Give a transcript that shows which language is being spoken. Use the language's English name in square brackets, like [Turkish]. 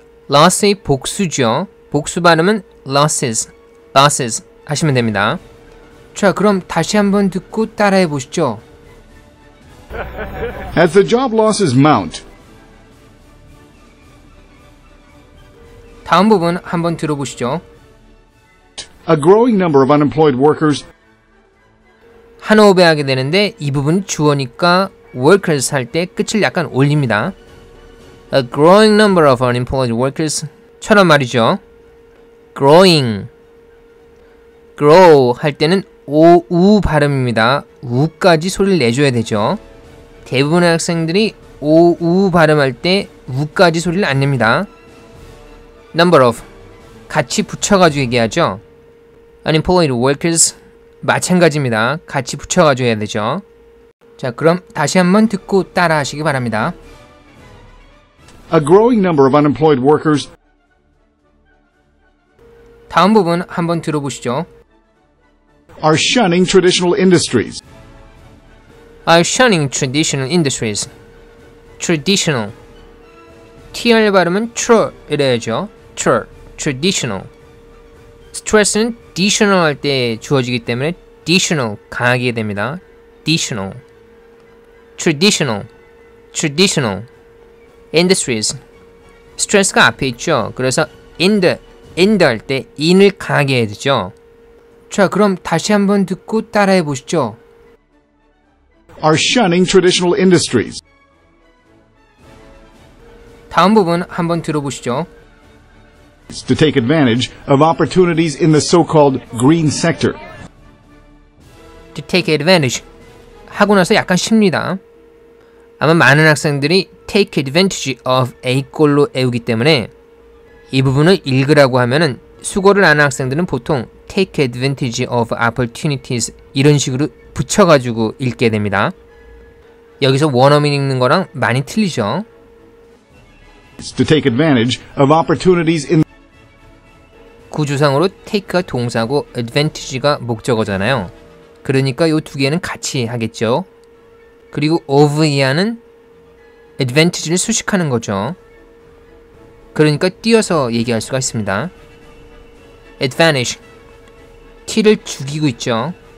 [Korean] Loss의 복수죠. 복수 발음은 losses. Losses 하시면 됩니다. 자, 그럼 다시 한번 듣고 따라해 보시죠. [English] As the job losses mount. [Korean] 다음 부분 한번 들어보시죠. [English] A growing number of unemployed workers. [Korean] 한 호흡에 하게 되는데 이 부분 주어니까 workers 할 때 끝을 약간 올립니다. [English] A growing number of unemployed workers. [Korean] 처럼 말이죠. Growing. Grow 할 때는 오, 우 발음입니다. 우까지 소리를 내줘야 되죠. 대부분의 학생들이 오, 우 발음할 때 우까지 소리를 안 냅니다. [English] Number of. [Korean] 같이 붙여가지고 얘기하죠. [English] Unemployed workers. [Korean] 마찬가지입니다. 같이 붙여가지고 해야 되죠. 자, 그럼 다시 한번 듣고 따라 하시기 바랍니다. [English] A growing number of unemployed workers. [Korean] 다음 부분 한번 들어보시죠. [English] Are shunning traditional industries. Are shunning traditional industries. Traditional. [Korean] TR 발음은 TR 이래야죠. TR. Traditional. Stress는 additional 할 때 주어지기 때문에 additional 강하게 됩니다. [English] additional. Traditional. Traditional. Industries. [Korean] Stress가 앞에 있죠. 그래서 [English] in the. [Korean] in 할 때 in을 강하게 해야 되죠. 자, 그럼 다시 한번 듣고 따라해 보시죠. [English] Are shunning traditional industries. [Korean] 다음 부분 한번 들어보시죠. [English] To take advantage of opportunities in the so-called green sector. [Korean] To take advantage 하고 나서 약간 쉽니다. 아마 많은 학생들이 take advantage of A꼴로 애우기 때문에 이 부분을 읽으라고 하면은 수고를 아는 학생들은 보통 [English] take advantage of opportunities [Korean] 이런 식으로 붙여가지고 읽게 됩니다. 여기서 원어민 읽는 거랑 많이 틀리죠. [English] To take advantage of opportunities in [Korean] 구조상으로 take가 동사고 advantage가 목적어잖아요. 그러니까 요 두 개는 같이 하겠죠. 그리고 of 이하는 advantage를 수식하는 거죠. 그러니까 띄어서 얘기할 수가 있습니다. Advantage. T를 죽이고 있죠.